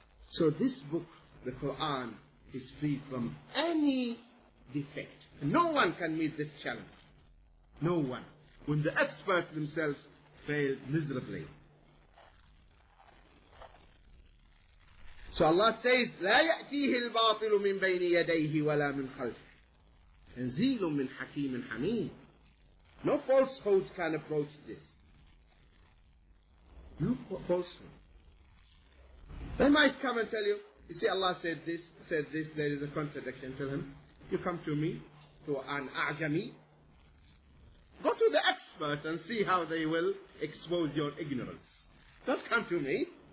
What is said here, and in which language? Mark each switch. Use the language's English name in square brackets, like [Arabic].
[English] So this book, the Quran, is free from any defect. No one can meet this challenge. No one. When the experts themselves failed miserably. So Allah says, [Arabic] لَا يَأْتِيهِ الْبَاطِلُ مِنْ بَيْنِ يَدَيْهِ وَلَا مِنْ خَلْفِهِ تَنْزِيلٌ مِنْ حَكِيمٍ حَمِيمٍ. [English] No falsehoods can approach this. No falsehood. They might come and tell you, you see, Allah said this, there is a contradiction. Tell him, you come to me, to an a'jami, go to the expert and see how they will expose your ignorance. Don't come to me.